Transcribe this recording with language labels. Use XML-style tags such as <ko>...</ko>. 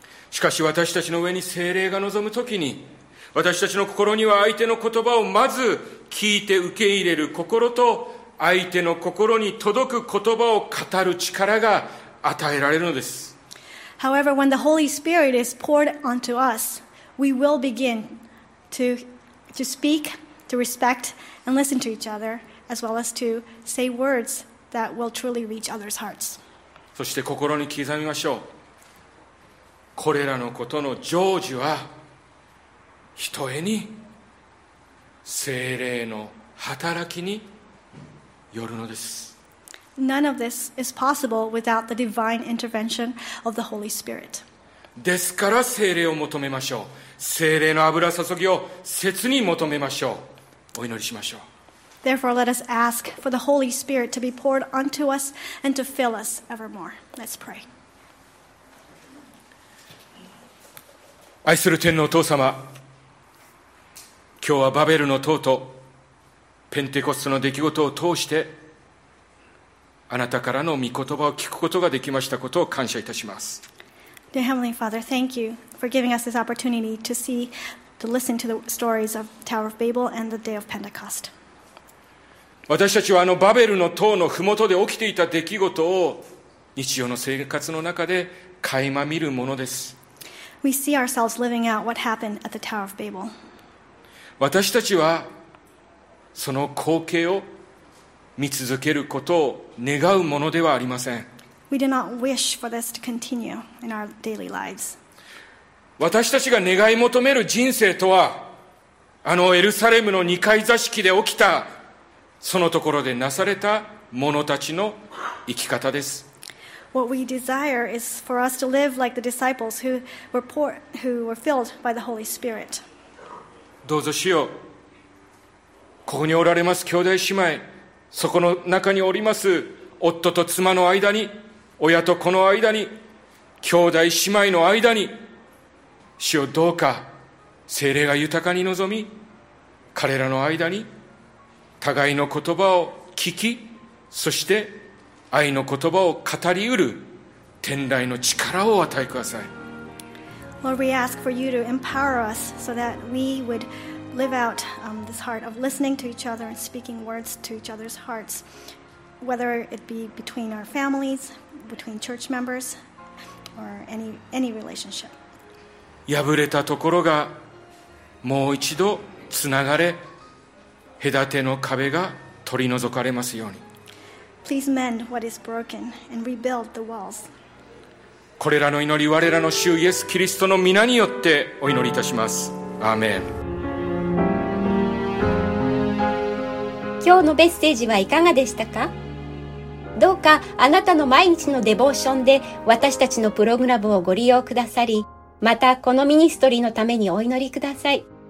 <ja>しかし私たちの上に聖霊が臨むときに、私たちの心には相手の言葉をまず聞いて受け入れる心と、相手の心に届く言葉を語る力が与えられるのです。</ja> <en>However, when the Holy Spirit is poured onto us, we will begin to speak, to respect,and listen to each other, as well as to say words that will truly reach others' hearts.</en> <ja>そして心に刻みましょう。これらのことの成就は、ひとえに聖霊の働きによるのです。</ja> <en>None of this is possible without the divine intervention of the Holy Spirit.</en> <ja>ですから聖霊を求めましょう。聖霊の油注ぎを切に求めましょう。お祈りしましょう。</ja> <en>Therefore, let us ask for the Holy Spirit to be poured onto us and to fill us evermore. Let's pray.</en> <ja>愛する天のお父様、今日はバベルの塔とペンテコストの出来事を通してあなたからの御言葉を聞くことができましたことを感謝いたします。</ja> <en>Dear Heavenly Father, thank you for giving us this opportunity to see. To listen to the stories of Tower of Babel and the Day of Pentecost.</en> <ja>私たちはあのバベルの塔のふもとで起きていた出来事を日常の生活の中で垣間見るものです。</ja> <en>We see ourselves living out what happened at the Tower of Babel.</en> <ja>私たちはその光景を見続けることを願うものではありません。</ja> <en>We do not wish for this to continue in our daily lives.</en> <ja>私たちが願い求める人生とは、あのエルサレムの二階座敷で起きた、そのところでなされた者たちの生き方です。</ja> <en>What we desire is for us to live like the disciples who were filled by the Holy Spirit.</en> <ja>どうぞ主よ、ここにおられます兄弟姉妹、そこの中におります夫と妻の間に、親と子の間に、兄弟姉妹の間に、主よどうか聖霊が豊かに臨み、彼らの間に互いの言葉を聞き、そして愛の言葉を語りうる天来の力を与えください。</ja> <en>Lord, we ask for you to empower us so that we would live out this heart of listening to each other and speaking words to each other's hearts, whether it be between our families, between church members, or any relationship.</en> <ja>破れたところがもう一度つながれ、隔ての壁が取り除かれますように。</ja> <en>Please mend what is broken and rebuild the walls.</en> <ja>これらの祈り、我らの主イエス・キリストの御名によってお祈りいたします。アーメン。今日のメッセージはいかがでしたか。どうかあなたの毎日のデボーションで私たちのプログラムをご利用くださり、またこのミニストリーのためにお祈りください。</ja>